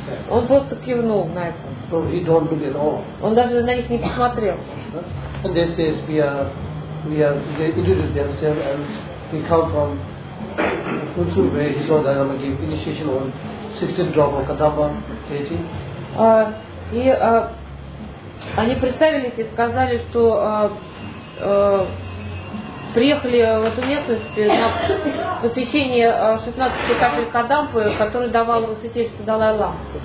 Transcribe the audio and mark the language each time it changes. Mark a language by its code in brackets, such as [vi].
[ru] Он просто кивнул на это. Он даже на них не посмотрел. [en] And they say they introduce themselves and they come from Kunsu where he saw Dalai Lama give initiation on 16th drop of Kadamba, 18. [ru] И они представились и сказали, что приехали в эту местность на посвящение 16 капель Кадампы, которую давал святейшество Далай-Лама.